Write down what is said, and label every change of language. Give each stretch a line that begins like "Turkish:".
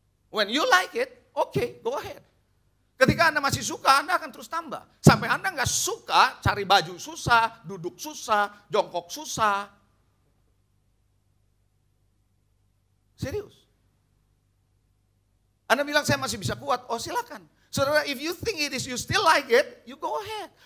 English: When you like it, okay, go ahead.
Indonesian: Ketika Anda masih suka, Anda akan terus tambah. Sampai Anda gak suka, cari baju susah, duduk susah, jongkok susah. Serius. Anda bilang saya masih bisa kuat, oh silakan.
English: Saudara, if you think it is, you still like it, you go ahead.